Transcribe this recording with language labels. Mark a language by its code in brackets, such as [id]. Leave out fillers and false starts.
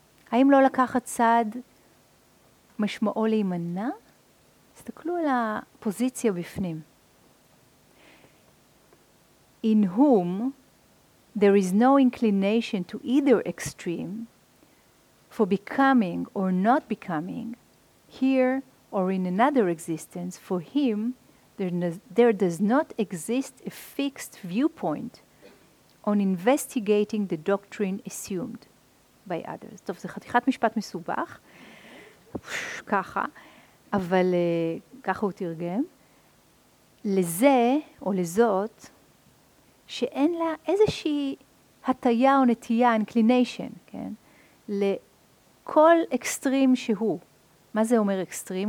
[he] האם לא לקחת צד משמעו להימנע? תסתכלו על הפוזיציה בפנים. [en] In whom there is no inclination to either extreme for becoming or not becoming, here or in another existence, for him there does not exist a fixed viewpoint on investigating the doctrine assumed by others. [he] טוב, זה חתיכת משפט מסובך, ככה, אבל ככה הוא תרגם. לזה או לזאת שאין לה איזושהי הטיה או נטייה, inclination, כן? לכל אקסטרים שהוא. מה זה אומר אקסטרים?